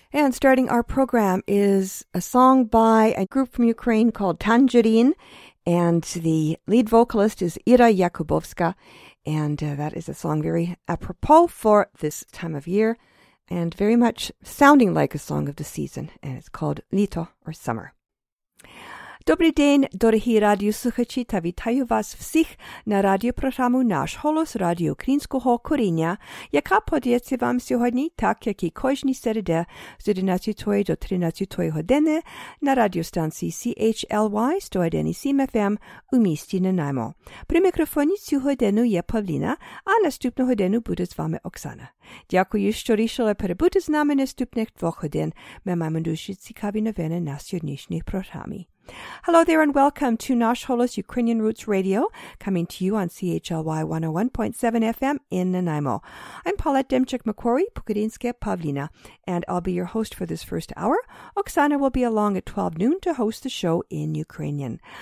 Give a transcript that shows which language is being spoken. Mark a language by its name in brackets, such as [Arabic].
[English] Starting our program is a song by a group from Ukraine called Tangerine, and the lead vocalist is Ira Yakubovska, and that is a song very apropos for this time of year, and very much sounding like a song of the season, and it's called Lito, or Summer. [Ukrainian] Добрий день, дорогі радіослухачі, та вітаю вас всіх на радіопрограму «Наш голос» Радіо Українського коріння, яка подається вам сьогодні, так як і кожні середи з 11 до 13 години на радіостанції CHLY 101.7 FM у місті Нанаймо. При мікрофоні цю годину є Павліна, а наступну годину буде з вами Оксана. Дякую, що рішили перебути з нами наступних двох годин. Ми маємо дуже цікаві новини на сьогоднішній програмі. [English] Hello there and welcome to Nash Holos Ukrainian Roots Radio, coming to you on CHLY 101.7 FM in Nanaimo. I'm Paulette Demchuk-Macquarie, Pukadinske Pavlina, and I'll be your host for this first hour. Oksana will be along at 12 noon to host the show in Ukrainian.